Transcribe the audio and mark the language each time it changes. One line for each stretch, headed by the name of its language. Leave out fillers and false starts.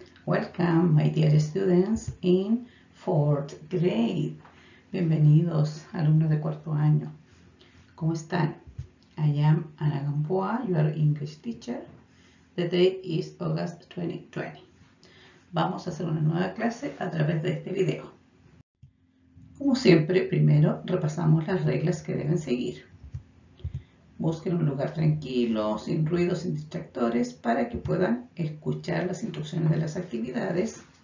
English: Welcome, my dear students in fourth grade.
Spanish: Bienvenidos, alumnos de cuarto año. ¿Cómo están?
English: I am Ana Gamboa, your English teacher. The day is August 2020.
Spanish: Vamos a hacer una nueva clase a través de este video. Como siempre, primero repasamos las reglas que deben seguir. Busquen un lugar tranquilo, sin ruidos, sin distractores, para que puedan escuchar las instrucciones de las actividades.